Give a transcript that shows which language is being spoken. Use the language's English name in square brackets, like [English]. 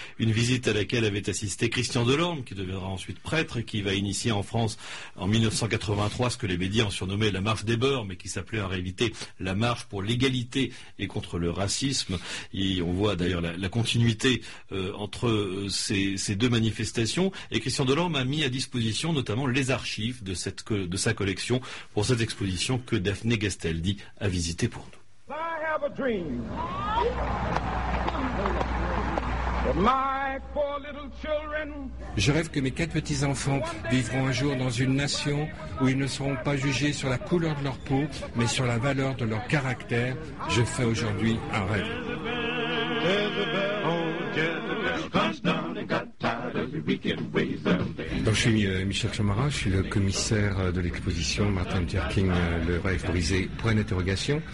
[French] Une visite à laquelle avait assisté Christian Delorme, qui deviendra ensuite prêtre, et qui va initier en France en 1983 ce que les médias ont surnommé la marche des beurs, mais qui s'appelait en réalité la marche pour l'égalité et contre le racisme. Et on voit d'ailleurs la continuité entre ces deux manifestations. Et Christian Delorme a mis à disposition notamment les archives de sa collection pour cette exposition que Daphné Gastaldi a visitée pour nous. [English] I have a dream that my four little children... [French] Je rêve que mes quatre petits-enfants vivront un jour dans une nation où ils ne seront pas jugés sur la couleur de leur peau, mais sur la valeur de leur caractère. Je fais aujourd'hui un rêve. Donc, je suis Michel Chamara, je suis le commissaire de l'exposition Martin Luther King, le rêve brisé, point d'interrogation.